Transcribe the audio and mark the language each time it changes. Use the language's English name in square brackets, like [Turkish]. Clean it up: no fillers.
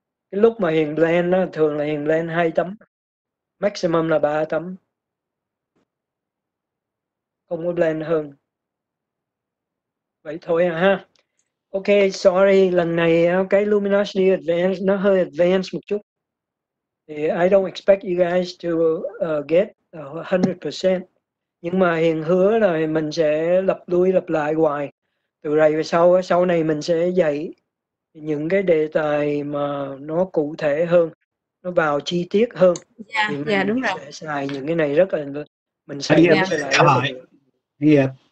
[Vietnamese] Cái lúc mà Hiền blend đó, thường là Hiền blend 2 tấm, maximum là 3 tấm, không có blend hơn. Vậy thôi à ha. Ok, sorry, lần này cái Luminosity Advanced nó hơi advanced một chút. [English] Thì I don't expect you guys to get 100%. [Vietnamese] Nhưng mà Hiền hứa là mình sẽ lặp lui lặp lại hoài. Từ rày về sau, sau này mình sẽ dạy những cái đề tài mà nó cụ thể hơn, nó vào chi tiết hơn. Dạ, yeah, yeah, đúng rồi. Mình sẽ xài những cái này rất là... Mình xài Hiệp, yeah. Hỏi. Hiệp.